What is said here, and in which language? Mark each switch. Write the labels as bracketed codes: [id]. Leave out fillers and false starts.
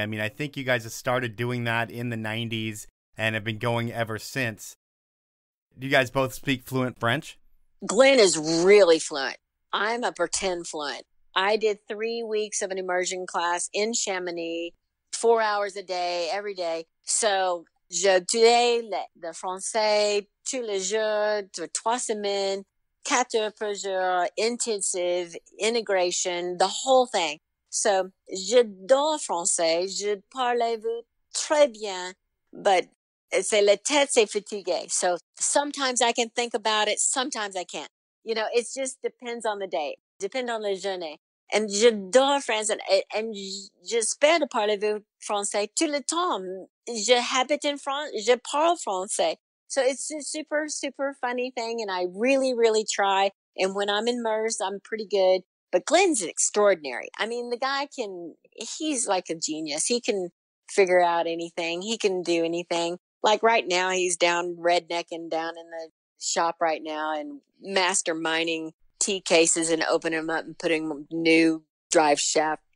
[en] I mean, I think you guys have started doing that in the 90s and have been going ever since. Do you guys both speak fluent French? Glenn is really fluent. I'm a pretend fluent. I did 3 weeks of an immersion class in Chamonix, 4 hours a day, every day. [fr] So je dois le français tous les jours, trois semaines, quatre par jour, intensive, integration, [en] the whole thing. [fr] So je dois français, je parle vous très bien, but c'est la tête, c'est fatigué. [en] So sometimes I can think about it, sometimes I can't. You know, it just depends on the day, depends on [fr] la journée. And j'adore France, and j'espère de parler français tout le temps. Je habite en France, je parle français. [en] So it's a super, super funny thing, and I really, really try. And when I'm immersed, I'm pretty good. But Glenn's extraordinary. I mean, the guy can, he's like a genius. He can figure out anything. He can do anything. Like right now, he's down rednecking down in the shop right now and masterminding tea cases and opening them up and putting new drive shaft.